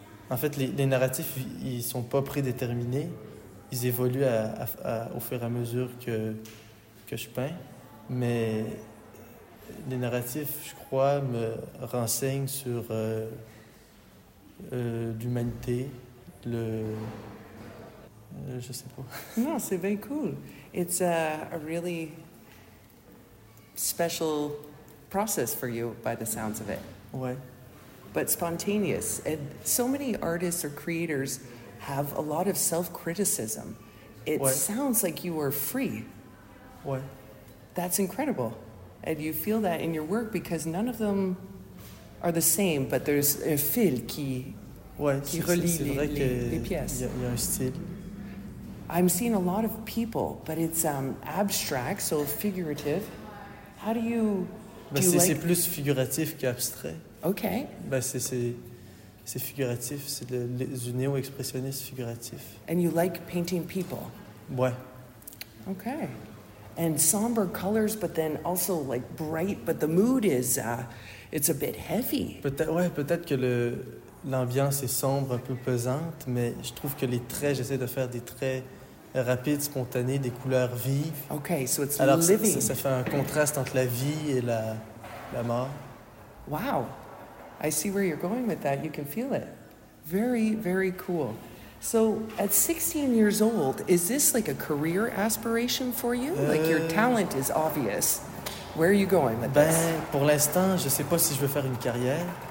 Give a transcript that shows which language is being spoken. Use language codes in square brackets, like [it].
[fr] En fait, les narratifs, ils sont pas prédéterminés. Ils évoluent au fur et à mesure que je peins. Mais les narratifs, je crois, me renseignent sur l'humanité, le... je sais pas. Non, c'est bien cool. [en] It's a really special process for you, by the sounds of it. [fr] Ouais. [en] But spontaneous. And so many artists or creators have a lot of self-criticism. It sounds like you are free. What? That's incredible. And you feel that in your work because none of them are the same, but there's a [fr] fil qui relie les pièces. Y a un style. [en] I'm seeing a lot of people, but it's abstract, so figurative. How do you... [fr] C'est plus figuratif qu'abstrait. [en] Okay. [fr] C'est figuratif, c'est du néo-expressionniste figuratif. [en] And you like painting people? [fr] Ouais. [en] Okay. And somber colors, but then also like bright, but the mood is, it's a bit heavy. [fr] Peut-être que l'ambiance est sombre, un peu pesante, mais je trouve que les traits, j'essaie de faire des traits rapides, spontanés, des couleurs vives. [en] Okay, so it's [fr] alors, [en] living. [fr] Alors ça fait un contraste entre la vie et la mort. [en] Wow. I see where you're going with that. You can feel it. Very, very cool. So at 16 years old, is this like a career aspiration for you? Like your talent is obvious. Where are you going with this? [fr] Pour l'instant, je ne sais pas si je veux faire une carrière.